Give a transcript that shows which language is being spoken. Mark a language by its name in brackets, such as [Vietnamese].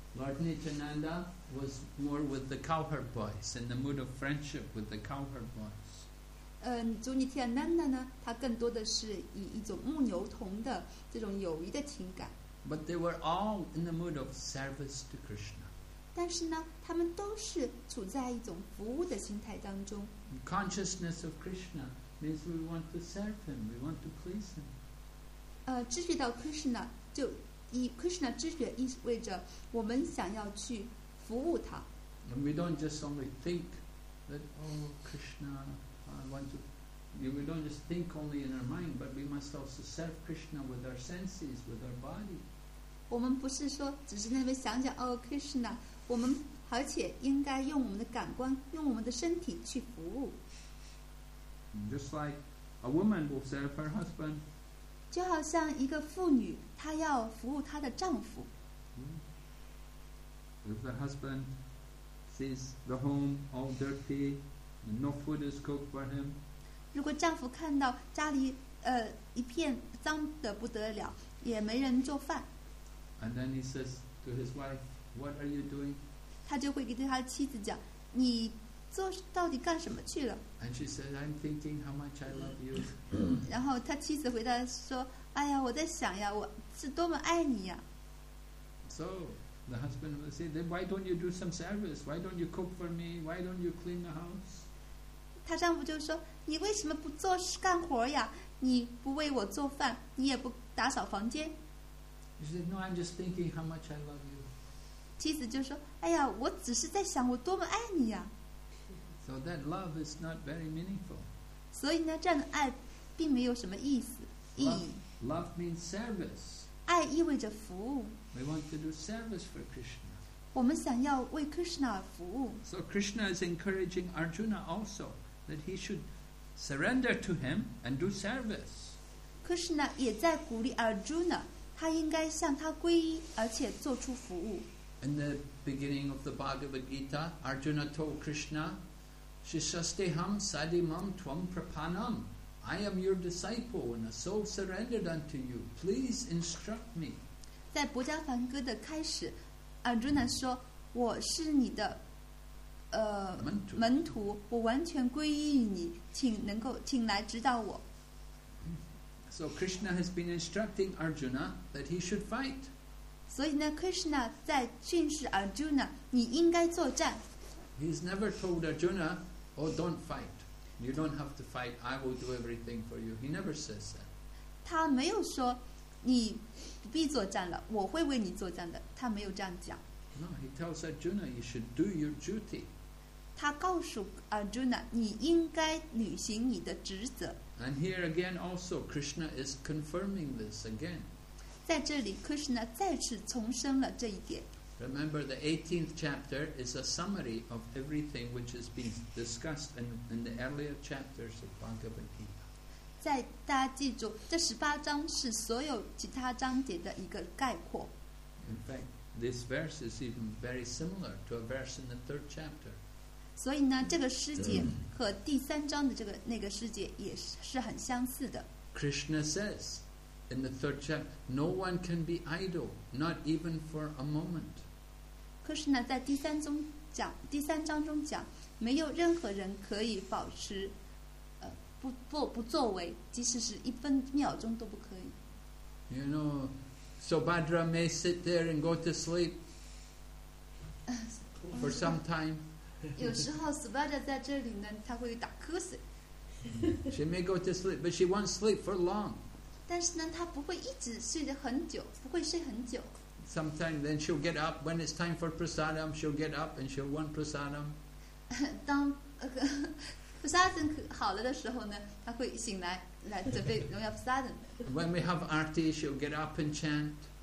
[English] Lord Nityananda was more with the cowherd boys in the mood of friendship with the cowherd boys. [Chinese] 主 Nityananda 呢，他更多的是以一种牧牛童的这种友谊的情感。 [English] But they were all in the mood of service to Krishna. [Chinese] 但是呢，他们都是处在一种服务的心态当中。 [English] Consciousness of Krishna means we want to serve Him, we want to please Him. [Chinese] 知觉到 Krishna 就以 Krishna 知觉意味着我们想要去服务他。 [English] And we don't just only think that, oh, Krishna, I want to. We don't just think only in our mind, but we must also serve Krishna with our senses, with our body. [Chinese] 我们不是说只是那边想想哦 Krishna， 我们而且应该用我们的感官，用我们的身体去服务。 [English] Just like a woman will serve her husband， [Chinese] 就好像一个妇女，她要服务她的丈夫。 [English] If the husband sees the home all dirty and no food is cooked for him， [Chinese] 如果丈夫看到家里一片脏得不得了，也没人做饭。 [English] And then he says to his wife, "What are you doing?" [Chinese] 他就会跟他的妻子讲，你做到底干什么去了 [English] ？And she says, "I'm thinking how much I love you." [Chinese] 然后他妻子回答说，哎呀，我在想呀，我是多么爱你呀。 [English] So the husband will say, "Then why don't you do some service? Why don't you cook for me? Why don't you clean the house?" [Chinese] 他丈夫就说，你为什么不做事干活呀？你不为我做饭，你也不打扫房间。 [English] She said, "No, I'm just thinking how much I love you." [Chinese] 妻子就说，哎呀，我只是在想我多么爱你呀。 [English] So So that love is not very meaningful. [Chinese] 所以呢，这样的爱并没有什么意思意义。 [English] Love means service. [Chinese] 爱意味着服务。 [English] We want to do service for Krishna. [Chinese] 我们想要为 Krishna 服务。 [English] So Krishna is encouraging Arjuna also that he should surrender to him and do service. [Chinese] Krishna 也在鼓励 Arjuna， 他应该向他皈依，而且做出服务。 [English] In the beginning of the Bhagavad Gita, Arjuna told Krishna, [Sanskrit] "Shishastiham sadimam tvam prapanam. [English] I am your disciple and a soul surrendered unto you. Please instruct me." [Chinese] 在《薄伽梵歌》的开始 ，Arjuna 说：“我是你的，门徒，我完全皈依于你，请来指导我。” [English] So Krishna has been instructing Arjuna that he should fight. [Chinese] 所以呢 ，Krishna 在训示 Arjuna， 你应该作战。 [English] He's never told Arjuna, "Oh, don't fight. You don't have to fight. I will do everything for you." He never says that. [Chinese] 他没有说你不必作战了，我会为你作战的。他没有这样讲。 [English] No, he tells Arjuna, "You should do your duty." [Chinese] 他告诉 Arjuna， 你应该履行你的职责。 [English] And here again, also Krishna is confirming this again. [Chinese] 在这里 ，Krishna 再次重申了这一点。 [English] Remember, the 18th chapter is a summary of everything which has been discussed in the earlier chapters of Bhagavad Gita. [Chinese] 在大家记住，这十八章是所有其他章节的一个概括。 [English] In fact, this verse is even very similar to a verse in the 3rd chapter. [Chinese] 所以呢，这个诗节和第三章的那个诗节也是很相似的。 [English] Krishna says. In the 3rd chapter, no one can be idle, not even for a moment. [Chinese] Krishna 在第三章中讲，没有任何人可以保持，不作为，即使是一分秒钟都不可以。 [English] You know, Subhadra may sit there and go to sleep for some time. [Chinese] 有时候 Subhadra 在这里呢，他会打瞌睡。 [English] She may go to sleep, but she won't sleep for long. [Chinese] 但是呢，她不会一直睡得很久，不会睡很久。 [English] Sometimes then she'll get up when it's time for prasadam. She'll get up and she'll want prasadam. [Chinese] 当prasadam 好了的时候呢，她会醒来来准备荣耀prasadam。 [English] When we have arti, she'll get up and chant.